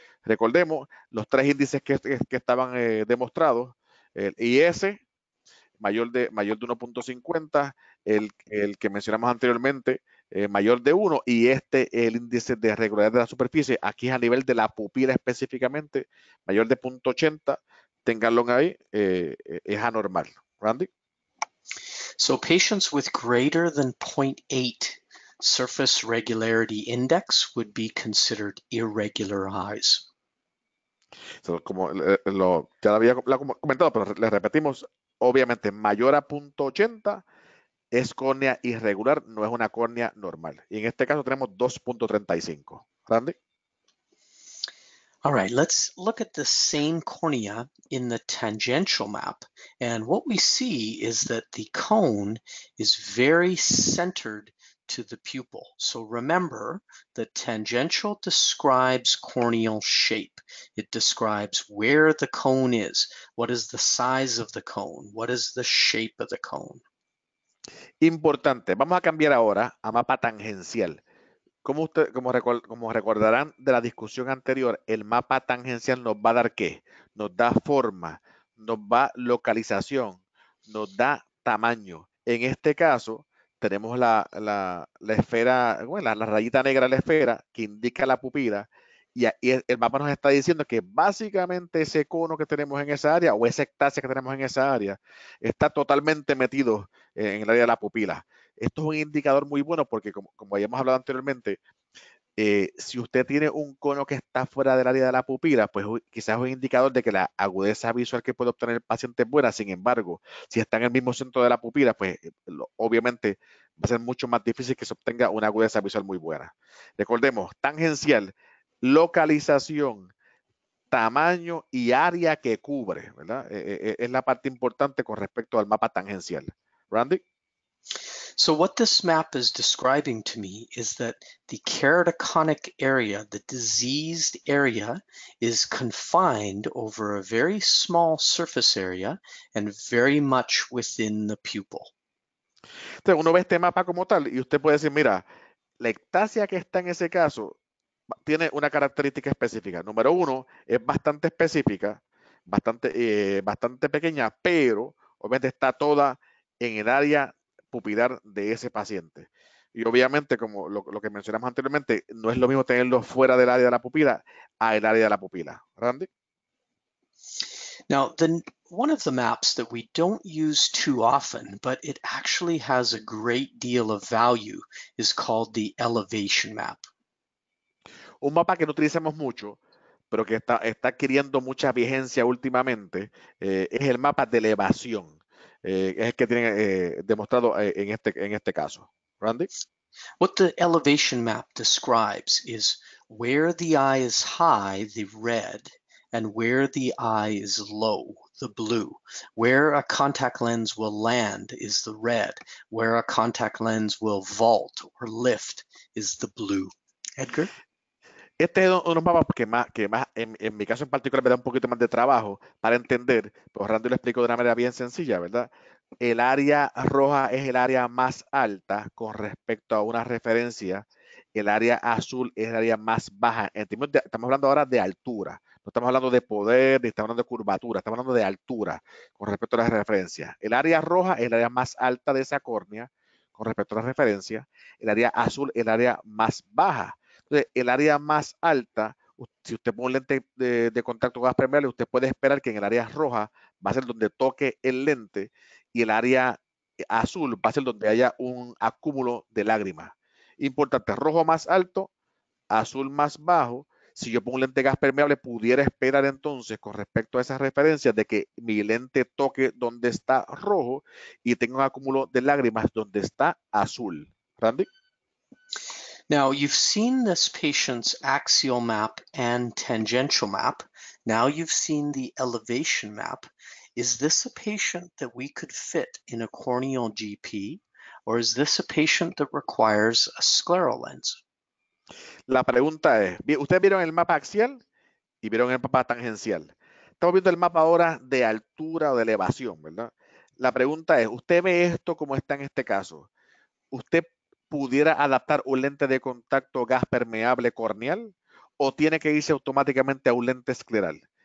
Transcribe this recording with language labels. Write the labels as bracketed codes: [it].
[es] Recordemos los tres índices que estaban demostrados: el IS, mayor de 1.50, el que mencionamos anteriormente, mayor de 1, y este, el índice de regularidad de la superficie, aquí es a nivel de la pupila específicamente, mayor de 0.80, ténganlo ahí, es anormal. Randy. [en] So patients with greater than 0.8 surface regularity index would be considered irregularized. [es] Como ya había comentado, pero le repetimos, obviamente mayor a 0.80 es córnea irregular, no es una córnea normal. Y en este caso tenemos 2.35. Randy. [en] All right, let's look at the same cornea in the tangential map. And what we see is that the cone is very centered to the pupil. So remember that tangential describes corneal shape. It describes where the cone is, what is the size of the cone, what is the shape of the cone. [es] Importante, vamos a cambiar ahora a mapa tangencial. Como recordarán de la discusión anterior, el mapa tangencial nos va a dar qué, nos da forma, nos da localización, nos da tamaño. En este caso, tenemos la esfera, bueno, la rayita negra, la esfera que indica la pupila, y el mapa nos está diciendo que básicamente ese cono que tenemos en esa área o esa ectasia que tenemos en esa área está totalmente metido en el área de la pupila. Esto es un indicador muy bueno porque, como habíamos hablado anteriormente, si usted tiene un cono que está fuera del área de la pupila, pues quizás es un indicador de que la agudeza visual que puede obtener el paciente es buena. Sin embargo, si está en el mismo centro de la pupila, pues obviamente va a ser mucho más difícil que se obtenga una agudeza visual muy buena. Recordemos, tangencial, localización, tamaño y área que cubre, ¿verdad? Es la parte importante con respecto al mapa tangencial. Randy. [en] So what this map is describing to me is that the keratoconic area, the diseased area, is confined over a very small surface area and very much within the pupil. [es] Entonces uno ve este mapa como tal y usted puede decir, mira, la ectasia que está en ese caso tiene una característica específica. Número uno, es bastante específica, bastante pequeña, pero obviamente está toda en el área pupilar de ese paciente. Y obviamente, como lo que mencionamos anteriormente, no es lo mismo tenerlo fuera del área de la pupila a el área de la pupila. Randy. [en] Now, one of the maps that we don't use too often, but it actually has a great deal of value, is called the elevation map. [es] un mapa que no utilizamos mucho, pero que está adquiriendo mucha vigencia últimamente, es el mapa de elevación. Es el que tiene demostrado en este caso. Randy. [en] What the elevation map describes is where the eye is high, the red, and where the eye is low, the blue. Where a contact lens will land is the red. Where a contact lens will vault or lift is the blue. Edgar? [es] Este es uno de los mapas que más en mi caso en particular, me da un poquito más de trabajo para entender, pero Randy lo explico de una manera bien sencilla, ¿verdad? El área roja es el área más alta con respecto a una referencia. El área azul es el área más baja. Estamos hablando ahora de altura. No estamos hablando de poder, ni estamos hablando de curvatura. Estamos hablando de altura con respecto a la referencia. El área roja es el área más alta de esa córnea con respecto a la referencia. El área azul es el área más baja. Entonces, el área más alta, si usted pone un lente de contacto gafas permeables, usted puede esperar que en el área roja va a ser donde toque el lente y el área azul va a ser donde haya un acúmulo de lágrimas. Importante, rojo más alto, azul más bajo. Si yo pongo un lente gafas permeables, pudiera esperar entonces con respecto a esas referencias de que mi lente toque donde está rojo y tenga un acúmulo de lágrimas donde está azul. Randy. [en] Now, you've seen this patient's axial map and tangential map. Now you've seen the elevation map. Is this a patient that we could fit in a corneal GP, or is this a patient that requires a scleral lens? [es] La pregunta es, ustedes vieron el mapa axial y vieron el mapa tangencial. Estamos viendo el mapa ahora de altura o de elevación, ¿verdad? La pregunta es, ¿usted ve esto como está en este caso? ¿Usted pudiera adaptar un lente de contacto gas permeable corneal o tiene que irse automáticamente a un lente escleral?